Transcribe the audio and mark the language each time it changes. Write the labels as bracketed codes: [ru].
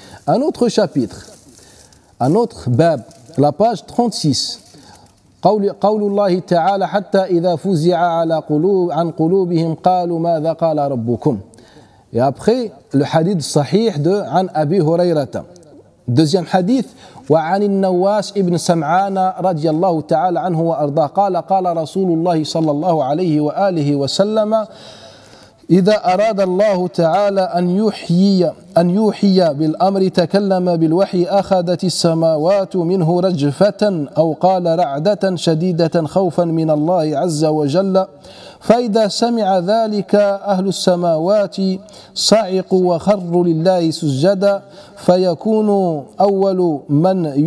[fr] Un autre chapitre, un autre bab, la page 36. [ar] قول الله تعالى حتى إذا فزع على قلوب عن قلوبهم قالوا ماذا قال ربكم. [fr] Et après, le hadith sahih de [ar] عن أبي هريرة. [fr] Deuxième hadith, [ar] وعن النواس ابن سمعان رضي الله تعالى عنه وأرضاه قال رسول الله صلى الله عليه وآله وسلم إذا أراد الله تعالى أن يحيي بالأمر تكلم بالوحي أخذت السماوات منه رجفة أو قال رعدة شديدة خوفا من الله عز وجل فإذا سمع ذلك أهل السماوات صعقوا وخروا لله سجدا فيكون أول من